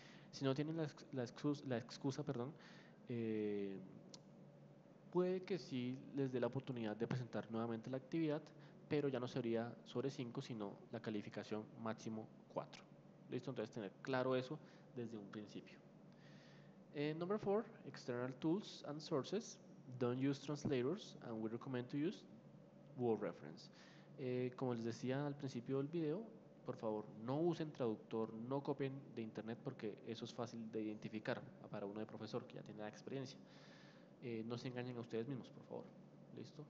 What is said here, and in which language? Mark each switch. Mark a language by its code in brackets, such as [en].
[es] Si no tienen la excusa, puede que sí les dé la oportunidad de presentar nuevamente la actividad, pero ya no sería sobre 5, sino la calificación máximo 4. Listo, entonces tener claro eso desde un principio. [en] Number 4, external tools and sources. Don't use translators and we recommend to use Word Reference. [es] Como les decía al principio del video, por favor no usen traductor, no copien de internet porque eso es fácil de identificar para uno de profesor que ya tiene la experiencia. No se engañen a ustedes mismos, por favor. ¿Listo?